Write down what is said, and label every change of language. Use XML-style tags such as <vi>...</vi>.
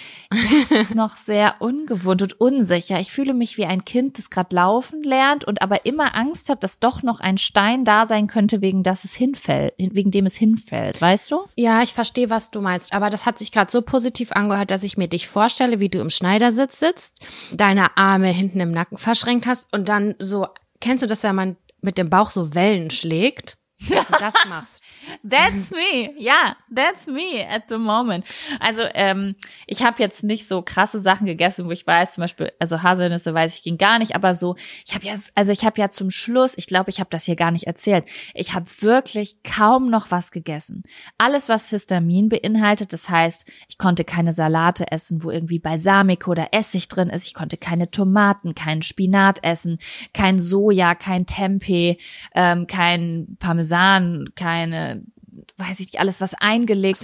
<de>Das ist noch sehr ungewohnt und unsicher. Ich fühle mich wie ein Kind, das gerade laufen lernt und aber immer Angst hat, dass doch noch ein Stein da sein könnte, wegen dem es hinfällt, weißt du? Ja, ich verstehe, was du meinst, aber das hat sich gerade so positiv angehört, dass ich mir dich vorstelle, wie du im Schneidersitz sitzt, deine Arme hinten im Nacken verschränkt hast und dann so, kennst du das, wenn man mit dem Bauch so Wellen schlägt? Dass du das machst.</de> <en>That's me. Ja, that's me at the moment.</en> <de>Also ich habe jetzt nicht so krasse Sachen gegessen, wo ich weiß, zum Beispiel, also Haselnüsse weiß ich, ging gar nicht, aber so, ich habe ja zum Schluss, ich glaube, ich habe das hier gar nicht erzählt, ich habe wirklich kaum noch was gegessen. Alles, was Histamin beinhaltet, das heißt, ich konnte keine Salate essen, wo irgendwie Balsamico oder Essig drin ist, ich konnte keine Tomaten, keinen Spinat essen, kein Soja, kein Tempeh, kein Parmesan, keine, weiß ich nicht, alles, was eingelegt ist.</de>